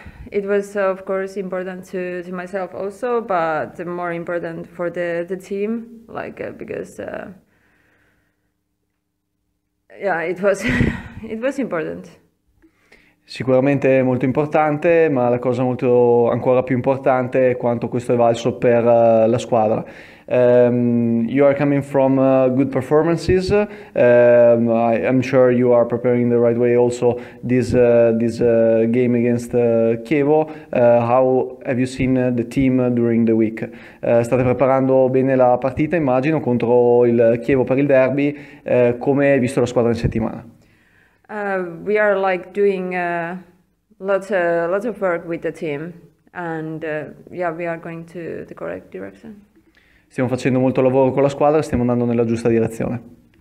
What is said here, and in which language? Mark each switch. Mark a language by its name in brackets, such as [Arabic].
[English] It was of course important to myself also, but more important for the team, because it was important. [Italian] Sicuramente molto importante, ma la cosa molto ancora più importante è quanto questo è valso per la squadra. [English] You are coming from good performances. I'm sure you are preparing the right way also this game against Chievo. How have you seen the team during the week? [Italian] State preparando bene la partita, immagino, contro il Chievo per il derby. Come hai visto la squadra in settimana? [English] We are like doing lots of work with the team, and we are going to the correct direction. [Italian] Stiamo facendo molto lavoro con la squadra e stiamo andando nella giusta direzione.